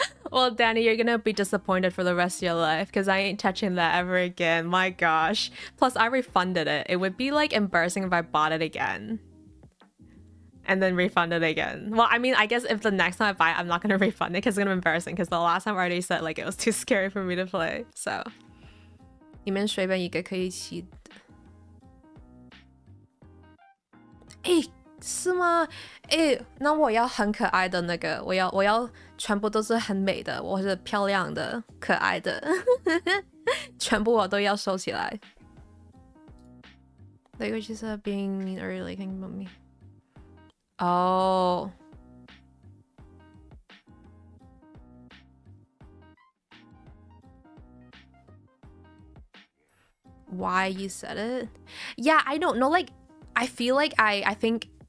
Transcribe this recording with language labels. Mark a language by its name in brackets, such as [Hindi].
[English] Well, Danny, you're gonna be disappointed for the rest of your life because I ain't touching that ever again. My gosh. Plus, I refunded it. It would be like embarrassing if I bought it again and then refunded it again. Well, I mean, I guess if the next time I buy it, I'm not gonna refund it because it's gonna be embarrassing because the last time I already said like it was too scary for me to play. So. [Chinese] 你们随便一个可以骑的。欸是吗？欸，那我要很可爱的那个，我要全部都是很美的，或者漂亮的、可爱的，全部我都要收起来。 [English] Like what you said, being mean or really thinking about me. Oh. Why you said it? Yeah, I don't know. Like, I feel like I think.